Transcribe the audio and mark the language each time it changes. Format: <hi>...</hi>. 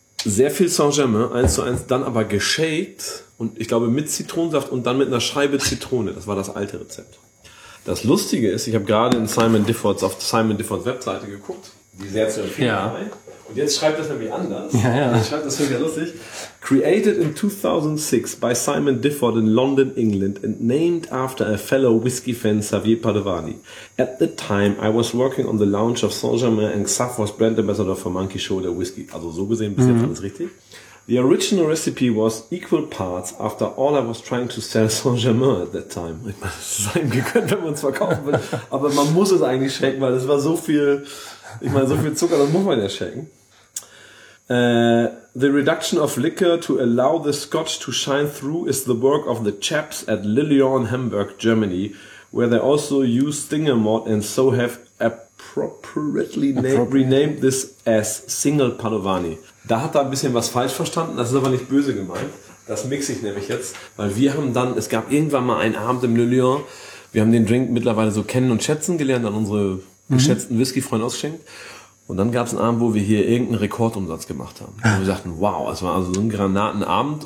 <de>Sehr viel Saint-Germain, 1:1, dann aber geshaked und ich glaube mit Zitronensaft und dann mit einer Scheibe Zitrone. Das war das alte Rezept. Das Lustige ist, ich habe gerade in Simon Difford's auf Simon Difford's Webseite geguckt, die sehr zu empfehlen war. Und jetzt schreibt das nämlich anders. Ja, ja. Jetzt schreibt das für mich ja lustig.</de> <en>Created in 2006 by Simon Difford in London, England and named after a fellow whisky fan, Xavier Padovani. At the time, I was working on the launch of Saint-Germain and Xav was brand ambassador for Monkey Shoulder Whisky.</en> <de>Also so gesehen, bis jetzt alles richtig.</de> <en>The original recipe was equal parts after all I was trying to sell Saint-Germain at that time.</en> <de>Ich meine, es ist einem gegönnt, wenn man es verkaufen will. Aber man muss es eigentlich schenken, weil es war so viel, ich meine, so viel Zucker, das muss man ja schenken.</de> <en>The reduction of liquor to allow the scotch to shine through is the work of the chaps at Le Lion, Hamburg, Germany, where they also use Stinger malt and so have appropriately renamed this as Single Padovani.</en> <de>Da hat er ein bisschen was falsch verstanden, das ist aber nicht böse gemeint. Das mixe ich nämlich jetzt, weil wir haben dann, es gab irgendwann mal einen Abend im Le Lion, wir haben den Drink mittlerweile so kennen und schätzen gelernt, an unsere geschätzten Whisky-Freunde ausgeschenkt. Und dann gab es einen Abend, wo wir hier irgendeinen Rekordumsatz gemacht haben. Und wir sagten, wow, es war also so ein Granatenabend.</de>